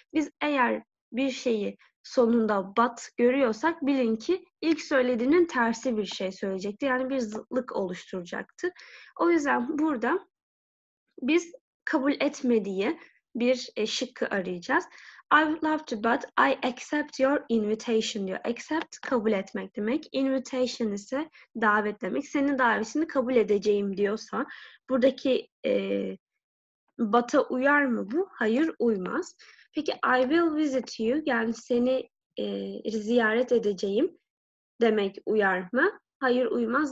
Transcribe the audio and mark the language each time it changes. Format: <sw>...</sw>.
<tr>Biz eğer bir şeyi sonunda but görüyorsak, bilin ki ilk söylediğinin tersi bir şey söyleyecekti. Yani bir zıtlık oluşturacaktı. O yüzden burada biz kabul etmediği bir şıkkı arayacağız.</tr> <en>I would love to but I accept your invitation</en> <tr>diyor. Accept kabul etmek demek. Invitation ise davet demek. Senin davetini kabul edeceğim diyorsa, buradaki but'a uyar mı bu? Hayır, uymaz. Peki</tr> <en>I will visit you,</en> <tr>yani seni ziyaret edeceğim demek uyar mı? Hayır, uymaz.</tr>